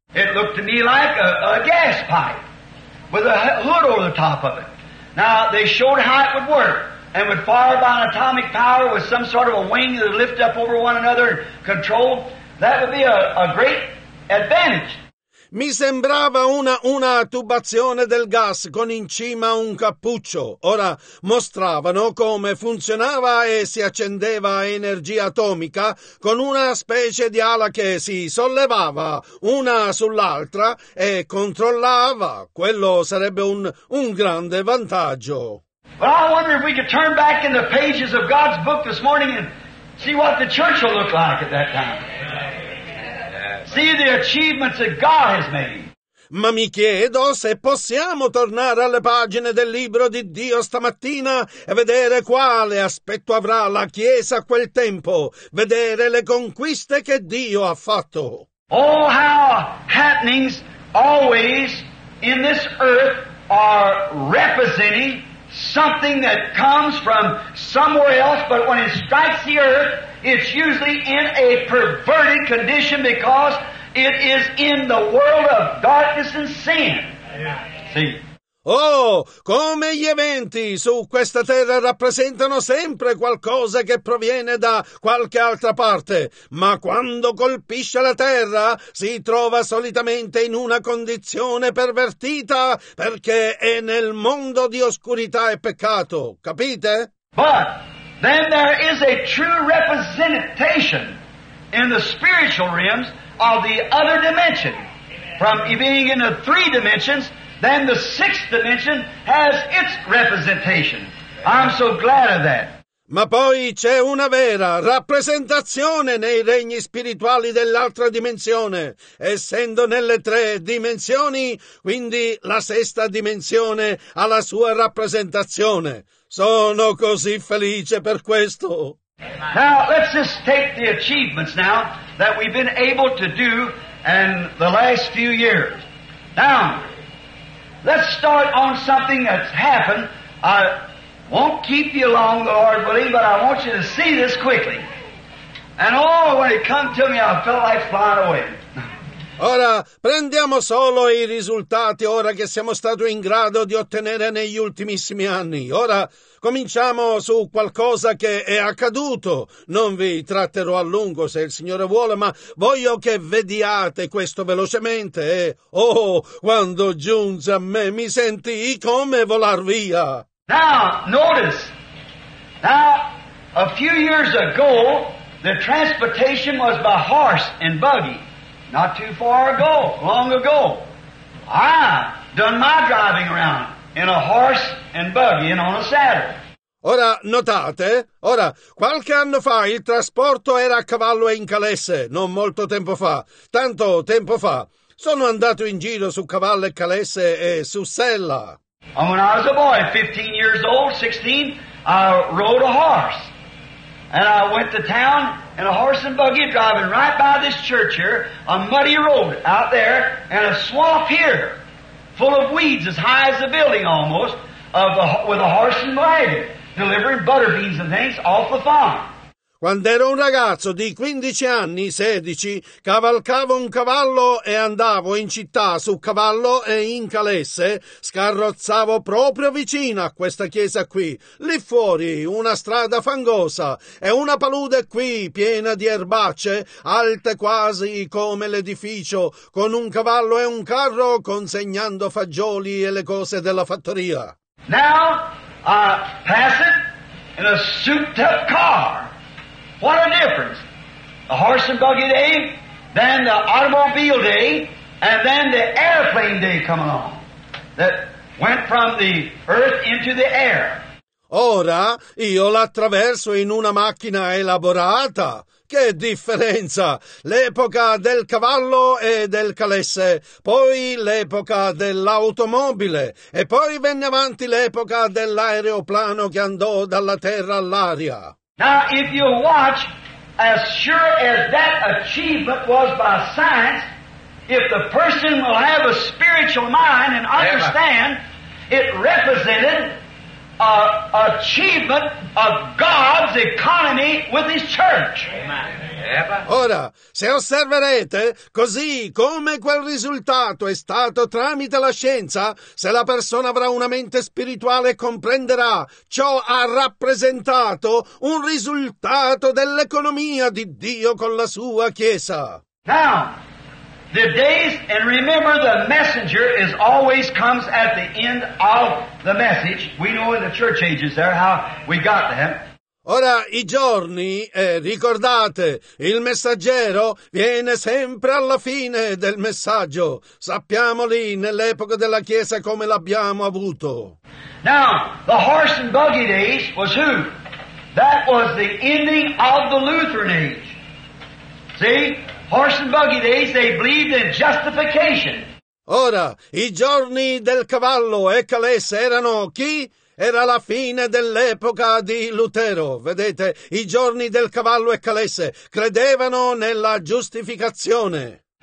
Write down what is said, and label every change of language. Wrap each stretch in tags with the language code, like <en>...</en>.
<en>It looked to me like a gas pipe with a hood over the top of it. Now they showed how it would work. And would fire by an atomic power with some sort of a wing that would lift up over one another and control. That would be a great advantage.</en> <it>Mi sembrava una tubazione del gas con in cima un cappuccio. Ora mostravano come funzionava e si accendeva energia atomica con una specie di ala che si sollevava una sull'altra e controllava. Quello sarebbe un grande vantaggio.</it> <en>But I wonder if we could turn back in the pages of God's book this morning and see what the church will look like at that time. See the achievements that God has made.</en> <it>Ma mi chiedo se possiamo tornare alle pagine del libro di Dio stamattina e vedere quale aspetto avrà la Chiesa a quel tempo, vedere le conquiste che Dio ha fatto.</it> <en>All our happenings always in this earth are representing something that comes from somewhere else, but when it strikes the earth, it's usually in a perverted condition because it is in the world of darkness and sin. See?</en> <it>Oh, come gli eventi su questa terra rappresentano sempre qualcosa che proviene da qualche altra parte, ma quando colpisce la terra si trova solitamente in una condizione pervertita perché è nel mondo di oscurità e peccato, capite?</it> <en>But then there is a true representation in the spiritual realms of the other dimension, from being in the 3 dimensions. Then the 6th dimension has its representation. I'm so glad of that.</en> <it>Ma poi c'è una vera rappresentazione nei regni spirituali dell'altra dimensione, essendo nelle 3 dimensioni, quindi la 6ª dimensione ha la sua rappresentazione. Sono così felice per questo.</it> <en>Now, let's just take the achievements now that we've been able to do in the last few years. Now, let's start on something that's happened. I won't keep you long, the Lord willing, but I want you to see this quickly. And oh, when it come to me, I felt like flying away.</en> <it>Ora, prendiamo solo i risultati ora che siamo stati in grado di ottenere negli ultimissimi anni. Ora, cominciamo su qualcosa che è accaduto. Non vi tratterò a lungo se il Signore vuole, ma voglio che vediate questo velocemente. Oh, quando giunse a me, mi sentii come volar via.</it> <en>Now, notice. Now, a few years ago, the transportation was by horse and buggy. Not too far ago, long ago, I done my driving around in a horse and buggy and on a saddle.</en> <it>Ora, notate, ora, qualche anno fa il trasporto era a cavallo e in calesse, non molto tempo fa, tanto tempo fa. Sono andato in giro su cavallo e calesse e su sella.</it> <en>And when I was a boy, 15 years old, 16, I rode a horse. And I went to town in a horse and buggy driving right by this church here, a muddy road out there, and a swamp here full of weeds as high as the building almost, with a horse and wagon delivering butter beans and things off the farm.</en> <it>Quando ero un ragazzo di 15 anni, 16, cavalcavo un cavallo e andavo in città su cavallo e in calesse, scarrozzavo proprio vicino a questa chiesa qui, lì fuori una strada fangosa e una palude qui piena di erbacce, alte quasi come l'edificio, con un cavallo e un carro consegnando fagioli e le cose della fattoria.</it> <en>Now, pass it in a souped-up car. What a difference, the horse and buggy day, then the automobile day, and then the airplane day come along, that went from the earth into the air.</en> <it>Ora io l'attraverso in una macchina elaborata. Che differenza, l'epoca del cavallo e del calesse, poi l'epoca dell'automobile, e poi venne avanti l'epoca dell'aeroplano che andò dalla terra all'aria.</it> <en>Now, if you watch, as sure as that achievement was by science, if the person will have a spiritual mind and understand, it represented an achievement of God's economy with His church. Amen.</en> <it>Ora, se osserverete, così come quel risultato è stato tramite la scienza, se la persona avrà una mente spirituale comprenderà, ciò ha rappresentato un risultato dell'economia di Dio con la sua Chiesa.</it> <en>Now, the days, and remember the messenger is always comes at the end of the message. We know in the church ages there how we got them.</en> <it>Ora, i giorni, ricordate, il messaggero viene sempre alla fine del messaggio. Sappiamo lì, nell'epoca della Chiesa, come l'abbiamo avuto.</it> <en>Now, the horse and buggy days was who? That was the ending of the Lutheran age. See? Horse and buggy days, they believed in justification.</en> <it>Ora, i giorni del cavallo e calesse erano chi? Era la fine dell'epoca di Lutero, vedete, i giorni del cavallo e calesse, credevano nella giustificazione.</it>